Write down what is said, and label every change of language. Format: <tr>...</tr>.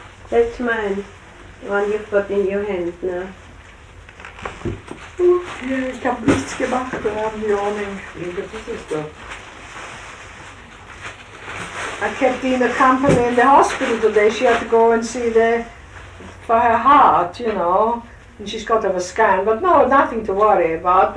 <en>That's mine, the one you've got in your hand now.</en> <de>Ich habe nichts gemacht, wir haben die Ordnung. Das ist es doch.</de> <en>I kept in the company in the hospital today. She had to go and see the for her heart, you know. And she's got to have a scan, but no, nothing to worry about.</en>